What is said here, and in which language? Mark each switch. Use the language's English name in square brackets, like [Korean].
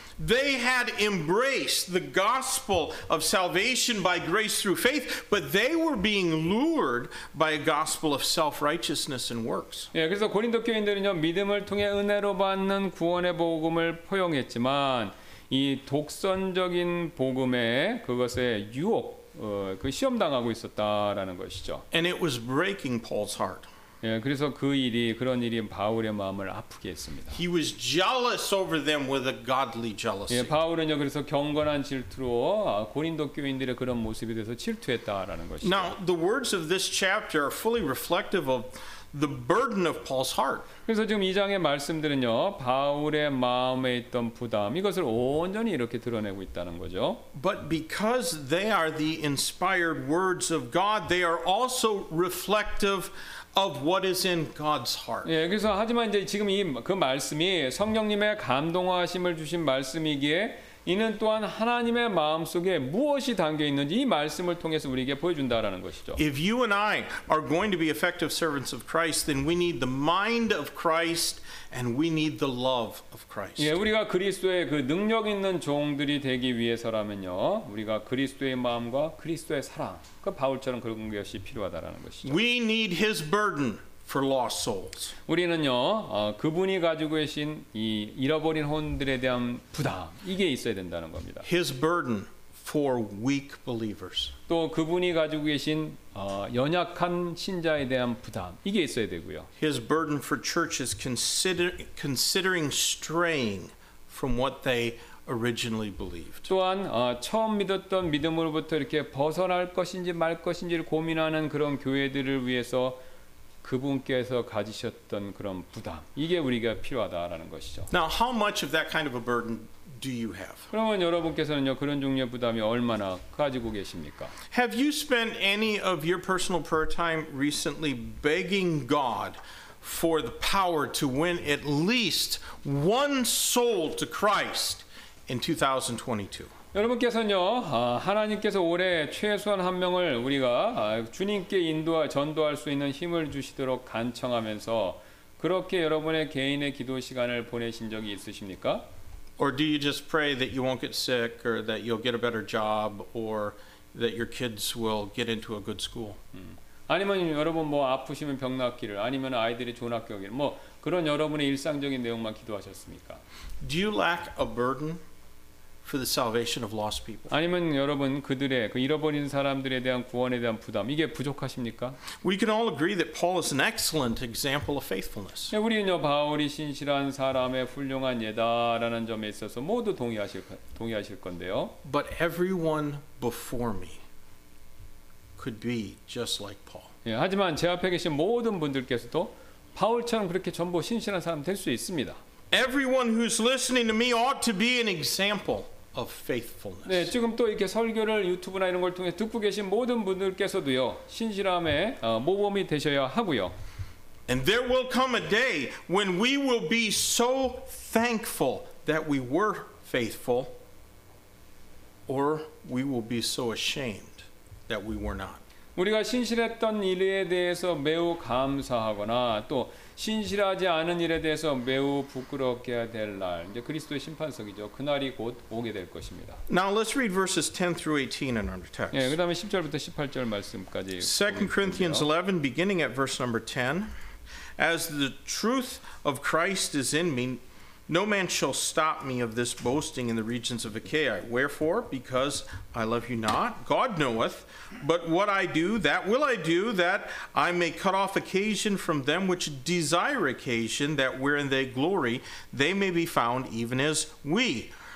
[English] They had embraced the gospel of salvation by grace through faith, but they were being lured by a gospel of self-righteousness and works. [Korean] 예, 그래서 고린도 교인들은요, 믿음을 통해 은혜로 받는 구원의 복음을 포용했지만 이 독선적인 복음에 그것의 유혹, 그 시험당하고 있었다라는 것이죠. [English] And it was breaking Paul's heart. [Korean] 예, 그래서 그 일이 그런 일이 바울의 마음을 아프게 했습니다. [English] He was jealous over them with a godly jealousy. [Korean] 예, 바울은요 그래서 경건한 질투로 고린도 교인들의 그런 모습에 대해서 질투했다라는 것이죠. [English] Now the words of this chapter are fully reflective of the burden of Paul's heart. [Korean] 그래서 지금 이 장의 말씀들은요 바울의 마음에 있던 부담 이것을 온전히 이렇게 드러내고 있다는 거죠. [English] But because they are the inspired words of God, they are also reflective of what is in God's heart. [Korean] 예, 그래서 하지만 이제 지금 이 그 말씀이 성령님의 감동하심을 주신 말씀이기에 이는 또한 하나님의 마음 속에 무엇이 담겨 있는지 이 말씀을 통해서 우리에게 보여준다라는 것이죠. [English] If you and I are going to be effective servants of Christ, then we need the mind of Christ and we need the love of Christ. [Korean] 예, 우리가 그리스도의 그 능력 있는 종들이 되기 위해서라면요, 우리가 그리스도의 마음과 그리스도의 사랑. 바울처럼 그런 것이 필요하다라는 것이죠. [English] We need his burden for lost souls. [Korean] 우리는요, 그분이 가지고 계신 이 잃어버린 혼들에 대한 부담 이게 있어야 된다는 겁니다. [English] His burden for weak believers. [Korean] 또 그분이 가지고 계신 연약한 신자에 대한 부담 이게 있어야 되고요. [English] His burden for church is considering straying from what they originally believed. [Korean] 또한 처음 믿었던 믿음으로부터 이렇게 벗어날 것인지 말 것인지를 고민하는 그런 교회들을 위해서 그분께서 가지셨던 그런 부담 이게 우리가 필요하다라는 것이죠. [English] Now, how much of that kind of a burden do you have? [Korean] 그러면 여러분께서는요 그런 종류의 부담이 얼마나 가지고 계십니까? [English] Have you spent any of your personal prayer time recently begging God for the power to win at least one soul to Christ? In 2022. [Korean] 여러분께서는요, 하나님께서 올해 최소한 한 명을 우리가 주님께 인도할 전도할 수 있는 힘을 주시도록 간청하면서 그렇게 여러분의 개인의 기도 시간을 보내신 적이 있으십니까? [English] Or do you just pray that you won't get sick or that you'll get a better job or that your kids will get into a good school? [Korean] 아니면 여러분 뭐 아프시면 병 낫기를 아니면 아이들이 좋은 학교 가기를 뭐 그런 여러분의 일상적인 내용만 기도하셨습니까? [English] Do you lack a burden for the salvation of lost people? [Korean] 아니면 여러분 그들의 그 잃어버린 사람들에 대한 구원에 대한 부담 이게 부족하십니까? [English] We can all agree that Paul is an excellent example of faithfulness. [Korean] 네, 우리는요 바울이 신실한 사람의 훌륭한 예다라는 점에 있어서 모두 동의하실 건데요. [English] But everyone before me could be just like Paul. [Korean] 예, 하지만 제 앞에 계신 모든 분들께서도 바울처럼 그렇게 전부 신실한 사람 될 수 있습니다. [English] Everyone who's listening to me ought to be an example of faithfulness. [Korean] 네, 지금 또 이렇게 설교를 유튜브나 이런 걸 통해 듣고 계신 모든 분들께서도요 신실함의 모범이 되셔야 하고요. [English] And there will come a day when we will be so thankful that we were faithful, or we will be so ashamed that we were not. [Korean] 우리가 신실했던 일에 대해서 매우 감사하거나 또 신실하지 않은 일에 대해서 매우 부끄럽게 될 날, 이제 그리스도의 심판석이죠. 그 날이 곧 오게 될 것입니다. [English] Now let's read verses 10 through 18 in our text. [Korean] 예, 네, 그다음에 10절부터 18절 말씀까지. [English] 2 Corinthians 11 beginning at verse number 10. As the truth of Christ is in me, no man shall stop me of this boasting in the regions of Achaia. Wherefore, because I love you not, God knoweth, but what I do, that will I do, that I may cut off occasion from them which desire occasion, that wherein they glory, they may be found even as we.